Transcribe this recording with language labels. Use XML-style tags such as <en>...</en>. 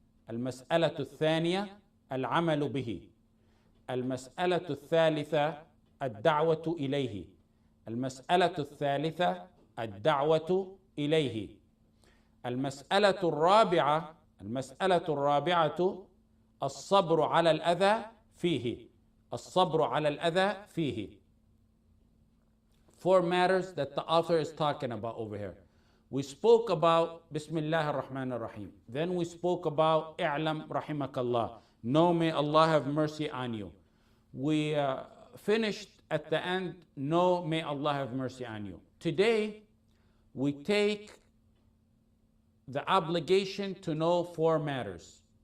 <ar>المسألة الثانية العمل به. المسألة الثالثة الدعوة إليه. المسألة الثالثة الدعوة إليه. المسألة الرابعة، المسألة الرابعة الصبر على الأذى فيه. الصبر على الأذى فيه.</ar> <en>Four matters that the author is talking about over here. We spoke about</en> <ar>بسم الله الرحمن الرحيم.</ar> <en>Then we spoke about</en> <ar>اعلم رحمك الله.</ar> <en>Know may Allah have mercy on you. We finished at the end, no, may Allah have mercy on you. Today, we take the obligation to know four matters.</en>